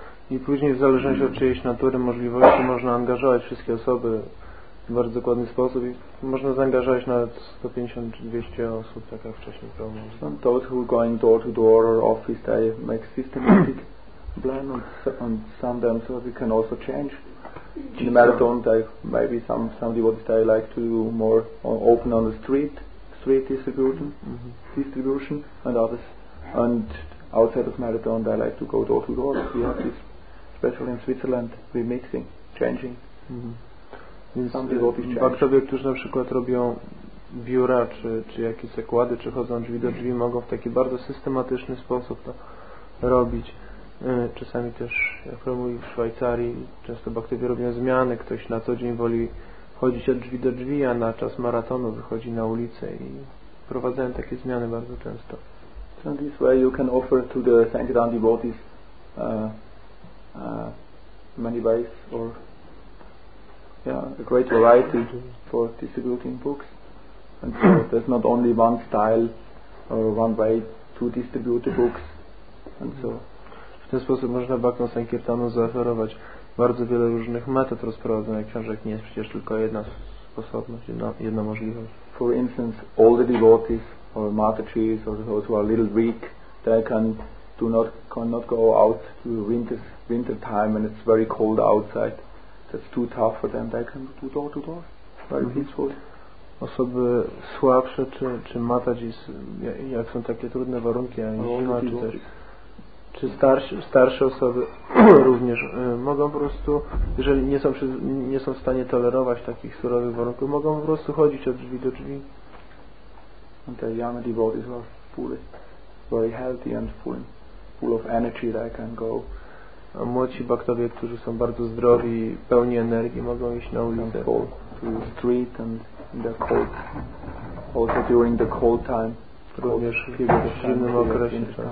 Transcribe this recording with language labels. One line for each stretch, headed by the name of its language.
Polish: I później w zależności od czyjejś natury, możliwości, można angażować wszystkie osoby w bardzo dokładny sposób i można zaangażować nawet 150 czy 200 osób, tak jak wcześniej powiedziałem.
English: Some those who are going door to door or office, they make systematic plan and some them so we can also change. In the marathon, maybe some devotees they like to do more open on the street distribution, distribution and others. And outside of marathon, they like to go door to door. We have this, especially in Switzerland, remixing, changing. Mm-hmm.
Polish: Więc baktowie, którzy na przykład robią biura, czy jakieś zakłady, czy chodzą drzwi do drzwi, mogą w taki bardzo systematyczny sposób to robić. Czasami też, jak mówię, w Szwajcarii często baktowie robią zmiany. Ktoś na co dzień woli chodzić od drzwi do drzwi, a na czas maratonu wychodzi na ulicę i wprowadzają takie zmiany bardzo często.
English: So this way you can offer to the Sankirtan devotees many ways or a great variety for distributing books, and so there's not only one style or one way to distribute the books, and so.
Polish: W ten sposób można baktom Sankirtanu zaoferować bardzo wiele różnych metod rozprowadzania książek. Nie jest przecież tylko jedna sposobność, jedna możliwość.
English: For instance, all the devotees or Matajis or those who are a little weak, they cannot go out to winter time when it's very cold outside. That's too tough for them. They can do door to door, very peaceful.
Polish: Osoby słabsze, czy matadzis, jak są takie trudne warunki, a nie zima, czy starsze osoby również mogą po prostu, jeżeli nie są w stanie tolerować takich surowych warunków, mogą po prostu chodzić od drzwi do drzwi.
English: And the young devotees are fully, very healthy and full of energy. They can go.
Polish: A młodsi baktowie, którzy są bardzo zdrowi, pełni energii, mogą iść na ulicę.
English: Go to the street and in the cold. Also during the cold time.
Polish: Również w zimnym okresie.